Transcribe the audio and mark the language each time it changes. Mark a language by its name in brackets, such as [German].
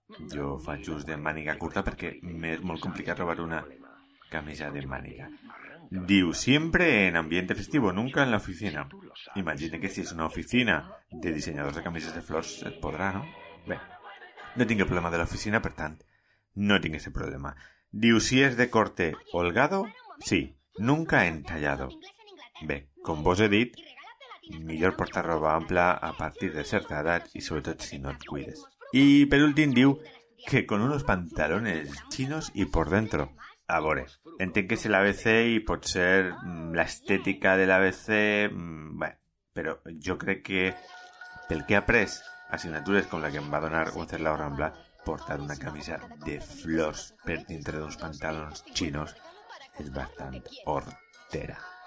[Catalan] Jo faig ús de màniga curta perquè m'és molt complicat robar una camisa de màniga. Diu, sempre [Spanish] en ambiente festivo, nunca en la oficina. [Catalan] Imagina que si és una oficina de dissenyadors de camises de flors, et podrà, no? Bé, no tinc el problema de l'oficina, per tant, no tinc aquest problema. Diu, [Spanish] si és de corte holgado, sí, nunca en tallado. [Catalan] Bé, com vos he dit, millor portar roba ampla a partir de certa edat i sobretot si no et cuides. I per últim diu que [Spanish] con unos pantalones chinos y por dentro. [Catalan] A veure, entenc que és l'ABC i pot ser l'estètica de l'ABC, però jo crec que pel que ha après assignatures com la que em va donar Gonzalo Rambla, portar una camisa de flors per dintre d'uns pantalons chinos és bastant hortera.